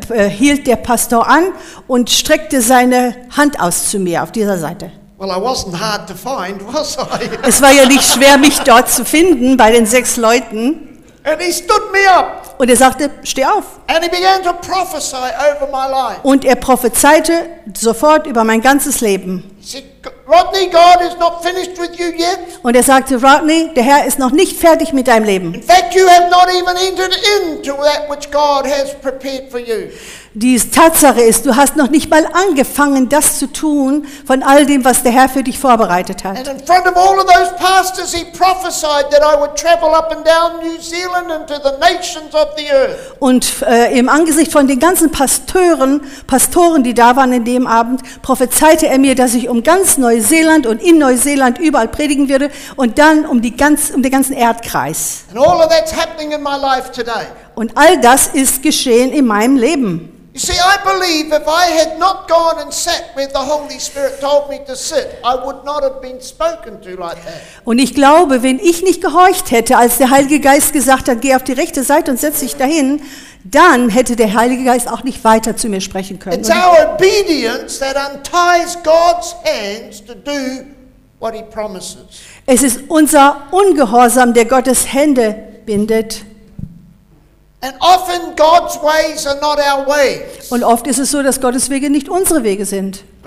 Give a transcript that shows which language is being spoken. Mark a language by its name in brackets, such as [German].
[German] Hielt der Pastor an und streckte seine Hand aus zu mir auf dieser Seite. [English] Well, I wasn't hard to find, was I? [German] Es war ja nicht schwer, mich dort zu finden, bei den 6 Leuten. [English] And he stood me up. [German] Und er sagte, steh auf. [English] And he began to prophesy over my life. [German] Und er prophezeite sofort über mein ganzes Leben. [English] Rodney, God is not finished with you yet. [German] Und er sagte, Rodney, der Herr ist noch nicht fertig mit deinem Leben. [English] In fact, you have not even entered into that which God has prepared for you. [German] Die Tatsache ist, du hast noch nicht mal angefangen, das zu tun von all dem, was der Herr für dich vorbereitet hat. [English] And in front of all of those pastors, he prophesied that I would travel up and down New Zealand and to the nations of the earth. [German] Und im Angesicht von den ganzen Pastoren, die da waren in dem Abend, prophezeite er mir, dass ich um ganz Neuseeland und in Neuseeland überall predigen würde und dann um den ganzen Erdkreis. [English] And all of that's happening in my life today. [German] Und all das ist geschehen in meinem Leben. [English] You see, I believe if I had not gone and sat where the Holy Spirit told me to sit, I would not have been spoken to like that. [German] Und ich glaube, wenn ich nicht gehorcht hätte, als der Heilige Geist gesagt hat, geh auf die rechte Seite und setz dich dahin, dann hätte der Heilige Geist auch nicht weiter zu mir sprechen können. [English] It's our obedience that unties God's hands to do what he promises. [German] Es ist unser Ungehorsam, der Gottes Hände bindet. [English] And often God's ways are not our ways. [German] Und oft ist es so, dass Gottes Wege nicht unsere Wege sind.